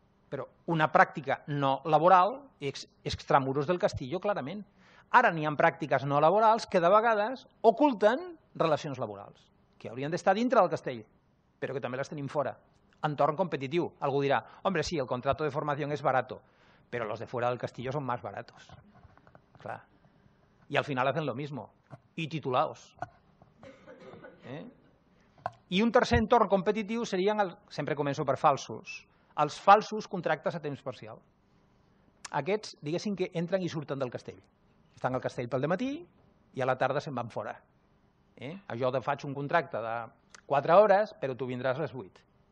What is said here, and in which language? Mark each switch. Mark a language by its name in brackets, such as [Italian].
[Catalan] Però una pràctica no laboral és [Spanish] extramuros del castillo, [Catalan] clarament. Ara n'hi ha pràctiques no laborals que de vegades oculten relacions laborals, que haurien d'estar dintre del castell, però que també les tenim fora. Entorn competitiu. Algú dirà, [Spanish] hombre, sí, el contrato de formación es barato, però los de fuera del castillo son más baratos. Clar. I al final hacen lo mismo. Y titulados. [Catalan] I un tercer entorn competitiu serien, sempre començo per falsos, els falsos contractes a temps parcial. Aquests, diguéssim que entren i surten del castell. Estan al castell pel dematí i a la tarda se'n van fora. Jo faig un contracte de 4 hores, però tu vindràs a les 8.